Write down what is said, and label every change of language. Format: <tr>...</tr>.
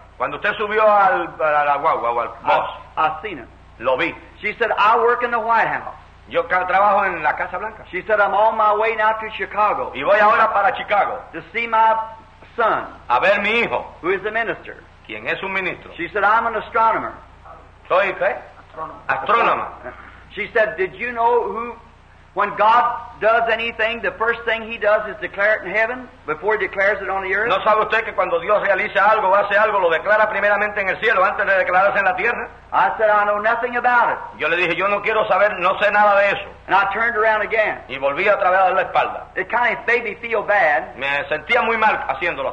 <es>cuando usted subió a la guagua o al bus,</es> <en>I seen it.</en> <es>Lo vi.</es> <en>She said, I work in the White House.</en> <es>Yo trabajo en la Casa Blanca.</es> <en>She said, I'm on my way now to Chicago.</en> <es>Y voy ahora para Chicago.</es> <en>To see my son.</en> <es>A ver mi hijo.</es> <en>Who is a minister.</en> <es>¿Quién es un ministro?</es> <en>She said, I'm an astronomer.</en> <es>¿Soy qué?</es> <en>Astronomer. She said, did you know who When God does anything, the first thing He does is declare it in heaven before He declares it on the earth.</en> <es>¿No sabe usted que cuando Dios realiza algo, hace algo, lo declara primeramente en el cielo antes de declararse en la tierra?</es> <en>I said, I know nothing about it.</en> <es>Yo le dije, yo no quiero saber, no sé nada de eso.</es> <en>And I turned around again.</en> <es>Y volví a través de la espalda.</es> <en>It kind of made me feel bad.</en> <es>Me sentía muy mal haciéndolo.</es>